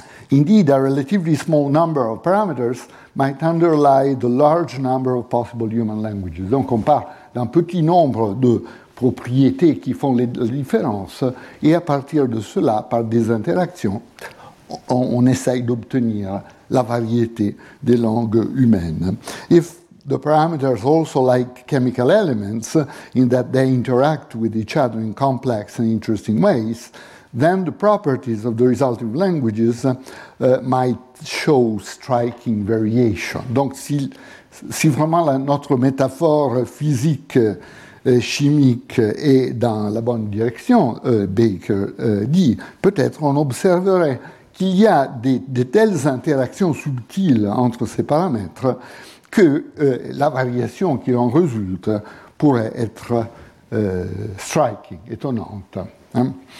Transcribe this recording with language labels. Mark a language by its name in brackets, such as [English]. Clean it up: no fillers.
[English] Indeed, a relatively small number of parameters might underlie the large number of possible human languages. [French] Donc, on parle d'un petit nombre de propriétés qui font la différence, et à partir de cela, par des interactions, on essaye d'obtenir la variété des langues humaines. [English] If the parameters also like chemical elements in that they interact with each other in complex and interesting ways, then the properties of the resulting languages might show striking variation. [French] Donc si vraiment notre métaphore physique chimique est dans la bonne direction, Baker dit, peut-être on observerait qu'il y a de telles interactions subtiles entre ces paramètres que la variation qui en résulte pourrait être striking, étonnante. Hein?